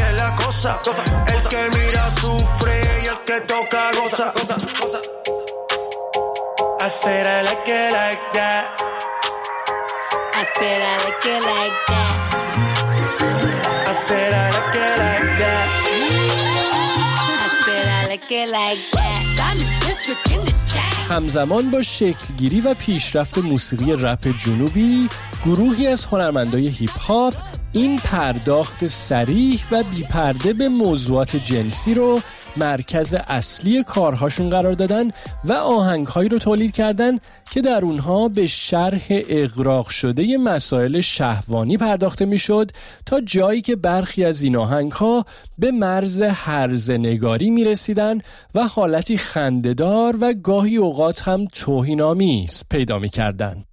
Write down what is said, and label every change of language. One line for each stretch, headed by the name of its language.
Spanish: El que mira sufre y el que toca goza.
English: I said I like it like that. I said I like it like that. I said I like it like that. I said I like it like that. I'm just tricking the chat.
Persian: همزمان با شکلگیری و پیشرفت موسیقی رپ جنوبی، گروهی از هنرمندای هیپ هاپ این پرداخت صریح و بی‌پرده به موضوعات جنسی رو مرکز اصلی کارهاشون قرار دادن و آهنگ‌هایی رو تولید کردن که در اونها به شرح اغراق شده مسائل شهوانی پرداخته می‌شد، تا جایی که برخی از این آهنگ‌ها به مرز هرزنگاری می‌رسیدن و حالتی خنده‌دار و گاهی اوقات هم توهین‌آمیز پیدا می‌کردن.